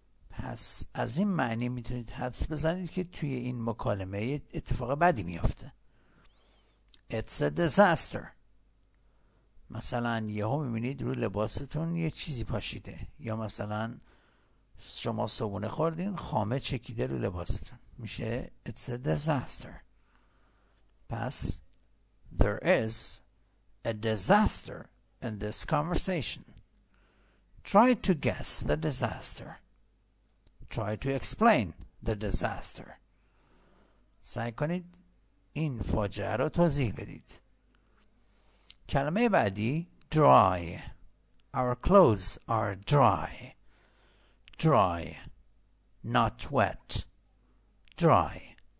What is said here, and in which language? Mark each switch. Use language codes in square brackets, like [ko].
[fa] پس از این معنی میتونید حدس بزنید که توی این مکالمه اتفاق بدی میافته. [en] It's a disaster. [fa] مثلا یهو میبینید روی لباستون یه چیزی پاشیده، یا مثلا شما صبحونه خوردین خامه چکیده روی لباستون، میشه [en] It's a disaster. پس There is a disaster in this conversation. Try to guess the disaster. Try to explain the disaster. [fa] سعی کنید این فاجعه رو توضیح بدید. کلمه بعدی dry. [en] Our clothes are dry. Dry. Not wet. Dry.